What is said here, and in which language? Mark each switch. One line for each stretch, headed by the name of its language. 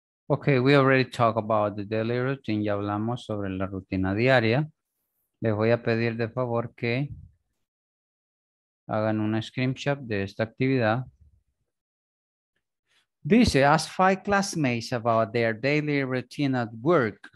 English: Okay, we already talked about the daily routine.
Spanish: Ya hablamos sobre la rutina diaria. Les voy a pedir de favor que hagan una screenshot de esta actividad. Dice,
English: ask 5 classmates about their daily routine at work.